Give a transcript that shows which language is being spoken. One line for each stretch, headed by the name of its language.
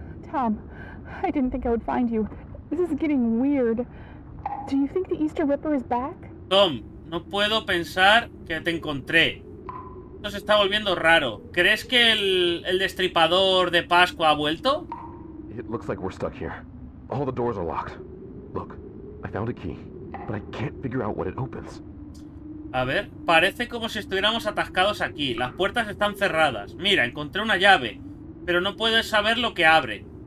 English: Tom, I didn't think I would find you. This is getting weird. Do you think the Easter Ripper is back?
Spanish: Tom, no puedo pensar que te encontré. Esto se está volviendo raro. ¿Crees que el destripador de Pascua ha vuelto?
English: It looks like we're stuck here. All the doors are locked. Look, I found a key, but I can't figure out what it opens.
Spanish: A ver, parece como si estuviéramos atascados aquí. Las puertas están cerradas. Mira, encontré una llave, pero no puedes saber lo que abre.